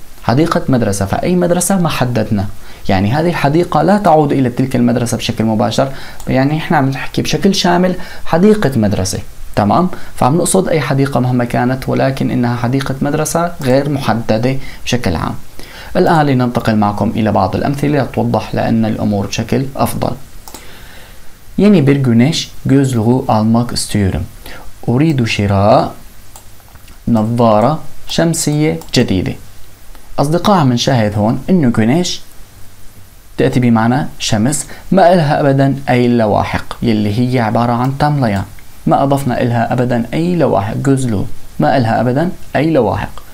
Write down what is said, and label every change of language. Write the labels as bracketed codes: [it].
[ar] حديقة مدرسة، فأي مدرسة ما حددنا، يعني هذه الحديقة لا تعود إلى تلك المدرسة بشكل مباشر، يعني إحنا عم نحكي بشكل شامل حديقة مدرسة، تمام؟ فعم نقصد أي حديقة مهما كانت، ولكن إنها حديقة مدرسة غير محددة بشكل عام. الآن لننتقل معكم إلى بعض الأمثلة توضح لأن الأمور بشكل أفضل. [tr] يعني bir güneş gözlüğü almak istiyorum. [ar] أريد شراء نظارة شمسية جديدة. أصدقاء من شاهد هون إنه جونيش تأتي بمعنى شمس، ما إلها أبدا أي لواحق يلي هي عبارة عن تامليان، ما أضفنا إلها أبدا أي لواحق، جزلو ما إلها أبدا أي لواحق،